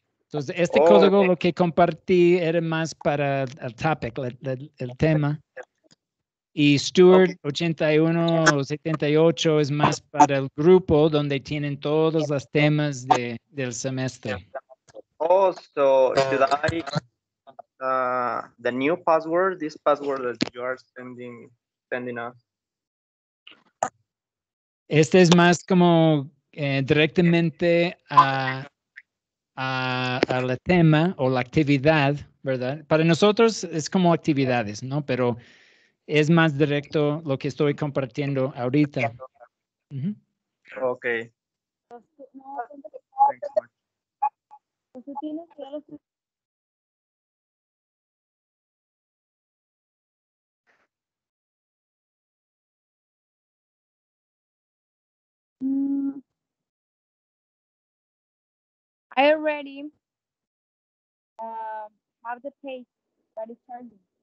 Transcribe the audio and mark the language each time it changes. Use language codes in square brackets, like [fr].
[es] Entonces, este código lo que compartí era más para el topic, el tema. Y Stuart 8178 es más para el grupo donde tienen todos los temas del semestre. [en] Oh, so should I the new password, this password that you are sending us? [es] Este es más como directamente a la tema o la actividad, ¿verdad? Para nosotros es como actividades, ¿no? Pero es más directo lo que estoy compartiendo ahorita. [en] Okay. I already have the page that is turning.